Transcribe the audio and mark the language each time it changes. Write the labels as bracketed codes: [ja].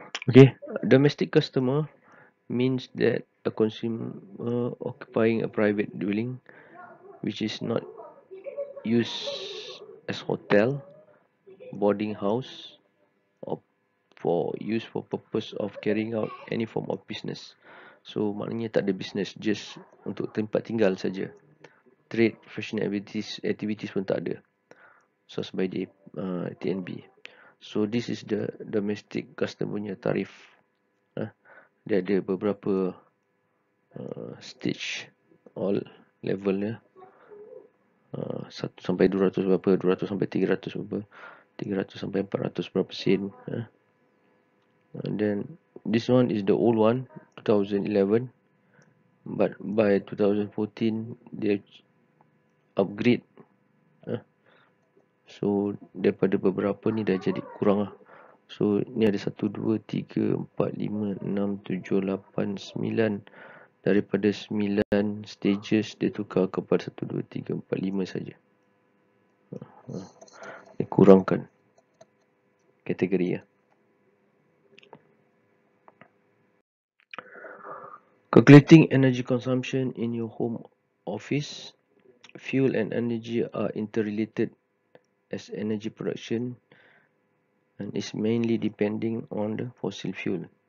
[en] Okay, domestic customer means that a consumer occupying a private dwelling which is not used as hotel, boarding house, or for use for purpose of carrying out any form of business. [ms] So maknanya tak ada business, just untuk tempat tinggal saja. Trade, professional activities pun tak ada. [en] So, by the TNB. So, this is the domestic customer [ms] punya tarif. Dia ada beberapa stage, all level ya. 1 sampai 200 berapa, 200 sampai 300 berapa, 300 sampai 400 berapa sen. [en] And then, this one is the old one, 2011. But, by 2014, [ms] dia upgrade. So daripada beberapa ni dah jadi kurang lah. So ni ada 1, 2, 3, 4, 5, 6, 7, 8, 9. Daripada 9 stages dia tukar kepada 1, 2, 3, 4, 5 sahaja. Dia kurangkan kategori ya. [en] Calculating energy consumption in your home office. Fuel and energy are interrelated as energy production and is mainly depending on the fossil fuel.